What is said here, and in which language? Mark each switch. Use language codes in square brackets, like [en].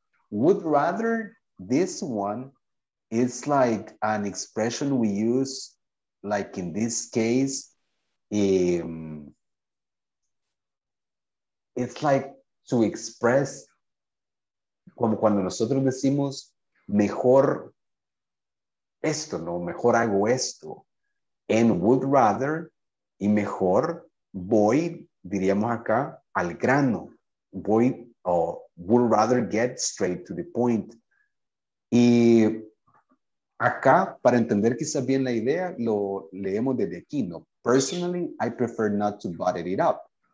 [en] Would rather, this one is like an expression we use, like in this case, it's like to express, [es] como cuando nosotros decimos, mejor esto, no, mejor hago esto, [en] and would rather, [es] y mejor voy, diríamos acá, al grano. [en] Voy, or would rather get straight to the point. [es] Y acá, para entender quizás bien la idea, lo leemos desde aquí, ¿no? [en] Personally, I prefer not to butter it up.